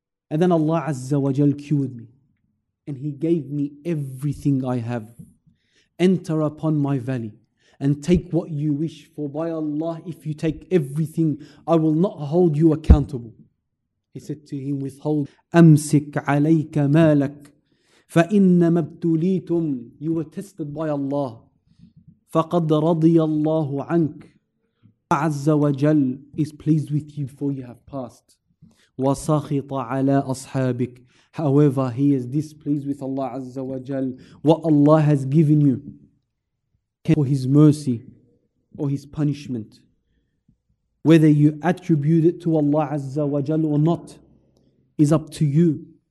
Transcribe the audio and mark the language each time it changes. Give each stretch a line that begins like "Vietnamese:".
English: And then Allah Azza wa Jal cured me. And He gave me everything I have. Enter upon my valley and take what you wish. For by Allah, if you take everything, I will not hold you accountable. He said to him, withhold.
Arabic: أمسك عليك مالك فإنما ابتليتم.
English: You were tested by Allah.
Arabic: فقد رضي الله عنك.
English: عز وجل is pleased with you before you have passed.
Arabic: وسخط على أصحابك.
English: However, he is displeased with Allah Azza wa Jal. What Allah has given you for His mercy or His punishment, whether you attribute it to Allah Azza wa Jal or not, is up to you.